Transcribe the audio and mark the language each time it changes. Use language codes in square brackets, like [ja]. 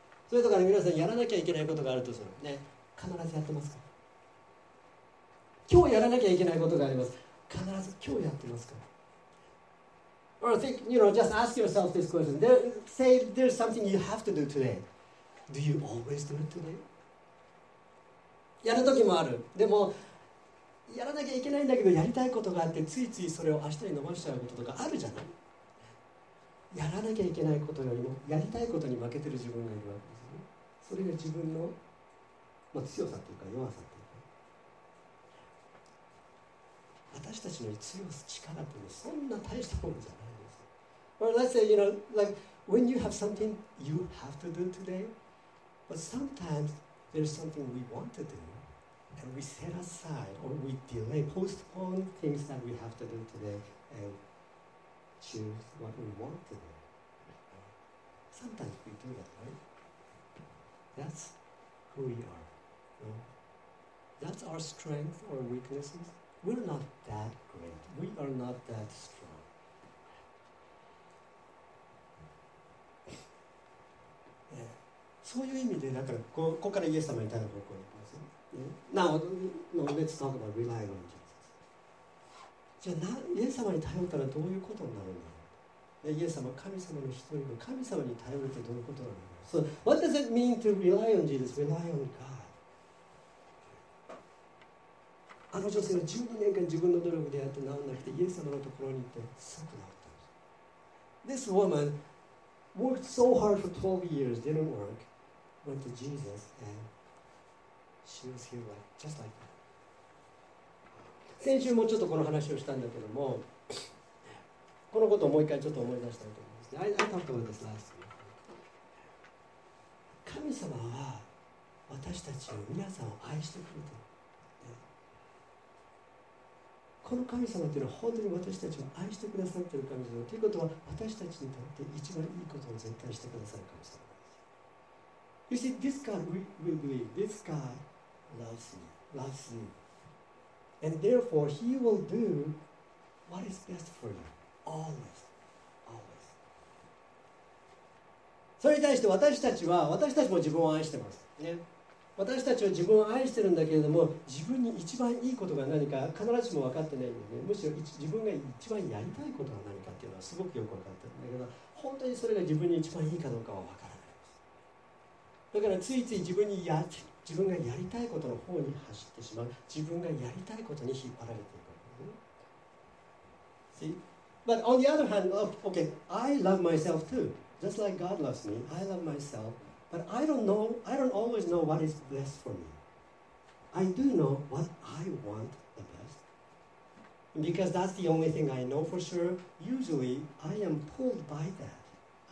[ja] そういうところで皆さんやらなきゃいけないことがあるとするね、必ずやってますか。今日やらなきゃいけないことがあります。必ず今日やってますか。 [en] Or think, you know, just ask yourself this question. Say there's something you have to do today. Do you always do it today? [ja] やる時もある。でも、やらなきゃいけないんだけど、やりたいことがあって、ついついそれを明日に伸ばしちゃうこととかあるじゃない？やらなきゃいけないことよりも、やりたいことに負けてる自分がいるわけですね。それが自分の、まあ、強さというか弱さというか。私たちの強す力ってね、そんな大したものじゃないです。 [en] Well, let's say, you know, like, when you have something you have to do today, but sometimes there's something we want to do, and we set aside, or we delay, postpone things that we have to do today, and choose what we want to do. Sometimes we do that, right? That's who we are. No? That's our strength or weaknesses. We're not that great. We are not that strong. [ja] そういう意味で、だからここからイエス様に対する方向に行きますね。 [en] Yeah. Now, no, let's talk about relying on Jesus. [ja] じゃあイエス様に頼ったらどういうことになるんだろう。イエス様、神様の一人の神様に頼るってどういうことなんだろう。 [en] So, what does it mean to rely on Jesus? Rely on God. [ja] あの女性は12年間自分の努力でやって治らなくて、イエス様のところに行ってすぐ治ったんです。 [en] This woman worked so hard for 12 years, didn't work, went to Jesus, and she was healed like, just like that. [ja] 先週もちょっとこの話をしたんだけども、このことをもう一回ちょっと思い出したいと思います。 [en] I talked about this last week. [ja] 神様は私たちを、皆さんを愛してくれてる。この神様というのは本当に私たちを愛してくださっている神様ということは、私たちにとって一番いいことを絶対してくださる神様です。 [en] You see, this God will believe, this God loves me, loves you. And therefore, he will do what is best for you, always, always. [ja] それに対して私たちは、私たちも自分を愛してます、ね、私たちは自分を愛してるんだけれども、自分に一番いいことが何か必ずしも分かってないんでね、むしろ自分が一番やりたいことが何かっていうのはすごくよく分かってるんだけど、本当にそれが自分に一番いいかどうかは分からないです。だからついつい自分がやりたいことの方に走ってしまう、自分がやりたいことに引っ張られていく。 [en] See? But on the other hand, okay, I love myself too. Just like God loves me, I love myself. But I don't know, I don't always know what is best for me. I do know what I want the best. Because that's the only thing I know for sure. Usually, I am pulled by that.